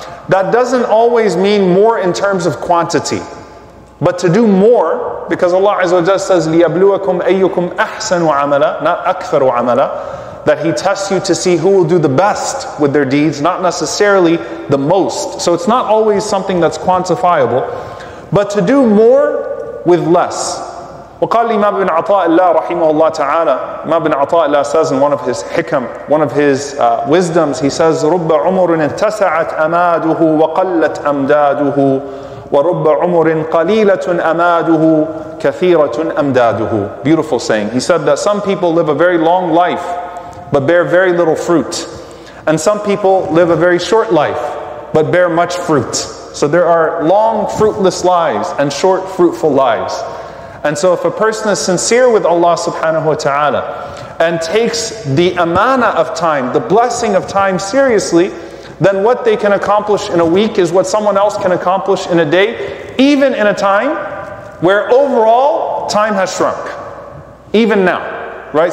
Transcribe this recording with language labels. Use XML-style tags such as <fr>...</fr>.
<en>That doesn't always mean more in terms of quantity, but to do more, because Allah Azza wa Jalla says,</en> <ar>"لِيَبْلُوَكُمْ أَيُّكُمْ أَحْسَنُ عَمَلًا,"</ar> <en>not</en> <ar>أَكْثَرُ عَمَلًا,</ar> <en>that He tests you to see who will do the best with their deeds, not necessarily the most. So it's not always something that's quantifiable, but to do more with less.</en> <ar>وَقَالَ لِمَا بِنْ عَطَاءِ اللَّهِ رَحِيمُهُ اللَّهِ تَعَالَى, مَا بِنْ عَطَاءِ اللَّهِ</ar> <en>says in one of his hikam, one of his wisdoms, he says,</en> <ar>"رُبَّ عُمُرٍ اتَّسَعَتْ أَمَادُهُ وَقَلَّتْ أَمْدَادُهُ وَرُبَّ عُمُرٍ قَلِيلَةٌ أَمَادُهُ كَثِيرَةٌ أَمْدَادُهُ."</ar> <en>Beautiful saying. He said that some people live a very long life, but bear very little fruit. And some people live a very short life, but bear much fruit. So there are long fruitless lives and short fruitful lives. And so if a person is sincere with Allah subhanahu wa ta'ala and takes the amana of time, the blessing of time seriously, then what they can accomplish in a week is what someone else can accomplish in a day, even in a time where overall time has shrunk, even now, right?</en>